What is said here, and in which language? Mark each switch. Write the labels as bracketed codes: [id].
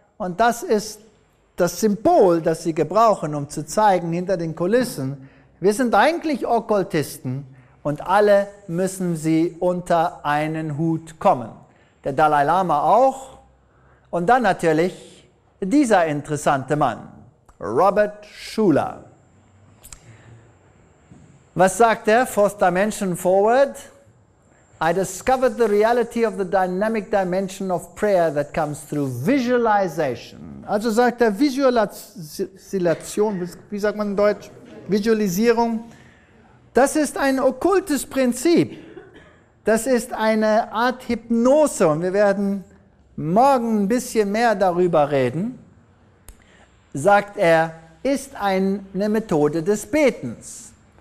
[de] Und das ist das Symbol, das sie gebrauchen, um zu zeigen hinter den Kulissen, wir sind eigentlich Okkultisten. Und alle müssen sie unter einen Hut kommen. Der Dalai Lama auch. Und dann natürlich dieser interessante Mann, Robert Schuller. Was sagt er? [en] Fourth Dimension Forward. I discovered the reality of the dynamic dimension of prayer that comes through visualization. [de] Also sagt er Visualisation, wie sagt man in Deutsch? Visualisierung. Das ist ein okkultes Prinzip, Das ist eine Art Hypnose und wir werden morgen ein bisschen mehr darüber reden, sagt er, ist eine Methode des Betens.